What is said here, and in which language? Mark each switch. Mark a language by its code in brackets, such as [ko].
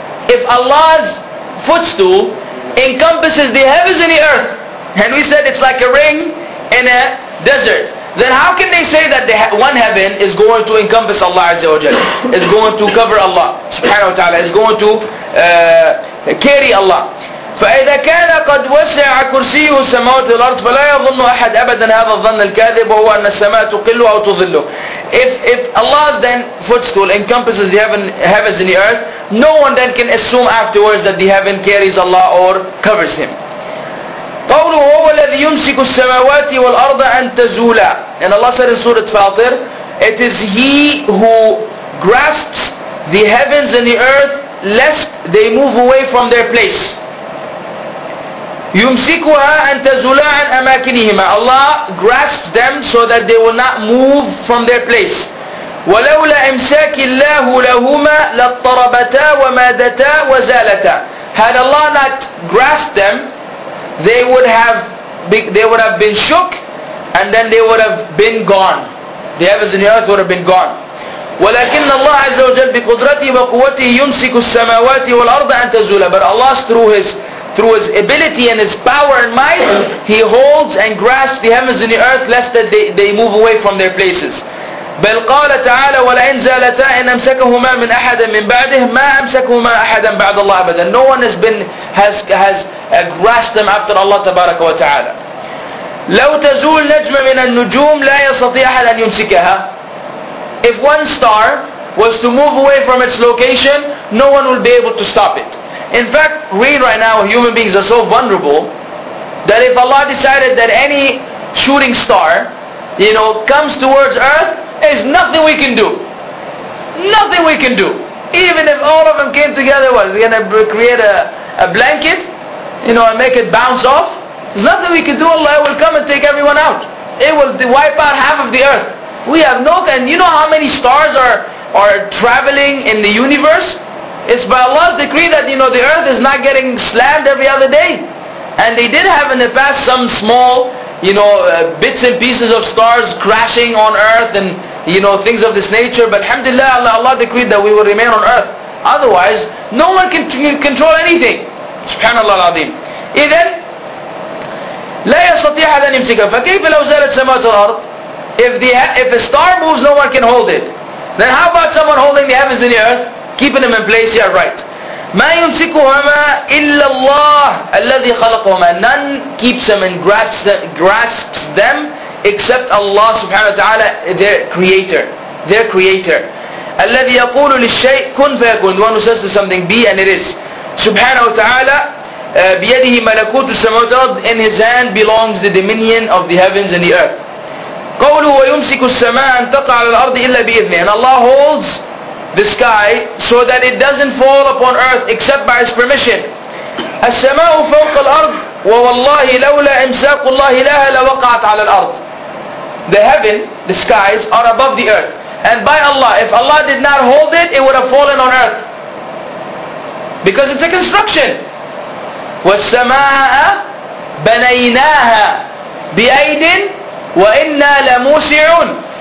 [en] If Allah's footstool encompasses the heavens and the earth, and we said it's like a ring in a desert, then how can they say that the one heaven is going to encompass Allah Azza wa Jalla, is going to cover Allah subhanahu wa ta'ala, is going to carry Allah? [ar] فإذا كان قد وسع كرسيه السماوات والأرض فلا يظن أحد أبدا هذا الظن الكاذب وهو أن السماء تقل أو تظل. [en] If Allah then footstool encompasses the heavens and the earth, no one then can assume afterwards that the heaven carries Allah or covers him. [ar] قوله هو الذي يمسك السماوات والأرض أن تزولا. [en] And Allah said in Surah Fatir, it is He who grasps the heavens and the earth lest they move away from their place. [ar] يمسكها أن تزولا عن أماكنهما. [en] Allah grasps them so that they will not move from their place. [ar] ولولا إمساك الله لهما لاضطربتا ومادتا وزالتا. [en] Had Allah not grasped them, they would have been shook, and then they would have been gone. The heavens and the earth would have been gone. [ar] ولكن الله عز وجل بقدرته وقوته يمسك السماوات والأرض أن تزولا. [en] But Allah through his ability and his power and might, he holds and grasps the heavens and the earth lest that they move away from their places. [ar] بل قال تعالى ولئن زالتا إن أمسكهما من أحد من بعده ما أمسكهما أحدا بعد الله أبدا. [en] No one has grasped them after Allah [ar] تبارك وتعالى. لو تزول نجمة من النجوم لا يستطيع أحد أن يمسكها. [en] If one star was to move away from its location, no one will be able to stop it. In fact, read right now, human beings are so vulnerable that if Allah decided that any shooting star, you know, comes towards Earth, there's nothing we can do. Nothing we can do. Even if all of them came together, what, we're going to create a blanket, you know, and make it bounce off? There's nothing we can do. Allah will come and take everyone out. It will wipe out half of the Earth. We have no, and you know how many stars are traveling in the universe? It's by Allah's decree that, you know, the earth is not getting slammed every other day. And they did have in the past some small, you know, bits and pieces of stars crashing on earth and, you know, things of this nature. But alhamdulillah, Allah decreed that we will remain on earth. Otherwise, no one can control anything. [ar] Subhanallah al-Azim. إذن لا يستطيع أحد أن يمسكها فكيف لو زالت سماوات الأرض. [en] If a star moves, no one can hold it. Then how about someone holding the heavens and the earth, keeping them in place? Yeah, right. [ar] مَا يُمْسِكُهَمَا إِلَّا اللَّهِ الَّذِي خَلَقُهُمَا. [en] None keeps them and grasps them except Allah subhanahu wa ta'ala, their creator. [ar] الَّذِي يَقُولُ لِلشَّيْءِ كُنْ فَيَكُنْ. [en] The one who says to something, be and it is. Subhanahu wa ta'ala, [ar] بِيَدِهِ مَلَكُوتُ السَّمَوَاتِ. [en] In his hand belongs the dominion of the heavens and the earth. [ar] قوله ويمسك السماء أن تقع على الأرض إلا بإذنه. [en] And Allah holds the sky so that it doesn't fall upon earth except by His permission. [ar] السماء فوق الأرض ووالله لولا إمساك الله لها لوقعت على الأرض. [en] The heaven, the skies are above the earth. And by Allah, if Allah did not hold it, it would have fallen on earth. Because it's a construction. [ar] والسماء بنيناها بأيدٍ وَإِنَّا لَمُوسِعُونَ.